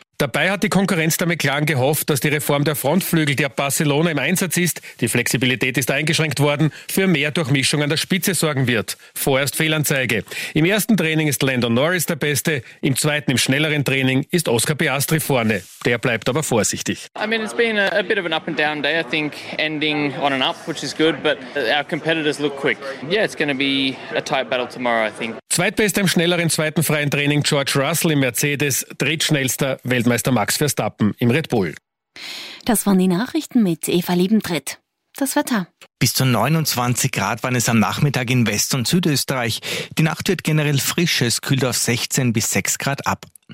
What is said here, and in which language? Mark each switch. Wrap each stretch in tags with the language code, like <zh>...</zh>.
<de>Dabei hat die Konkurrenz der McLaren gehofft, dass die Reform der Frontflügel, der Barcelona im Einsatz ist, die Flexibilität ist eingeschränkt worden, für mehr Durchmischung an der Spitze sorgen wird. Vorerst Fehlanzeige. Im ersten Training ist Lando Norris der Beste, im zweiten, im schnelleren Training ist Oscar Piastri vorne. Der bleibt aber vorsichtig.</de> <en>I mean, it's been a bit of an up and down day, I think, ending on an up, which is good, but our competitors look quick. Yeah, it's going to be a tight battle tomorrow, I think.</en> <de>Zweitbester im schnelleren zweiten freien Training, George Russell im Mercedes, drittschnellster Weltmeister Max Verstappen im Red Bull. Das waren die Nachrichten mit Eva Liebentritt. Das Wetter. Bis zu 29 Grad waren es am Nachmittag in West- und Südösterreich. Die Nacht wird generell frisch, es kühlt auf 16 bis 6 Grad ab.</de>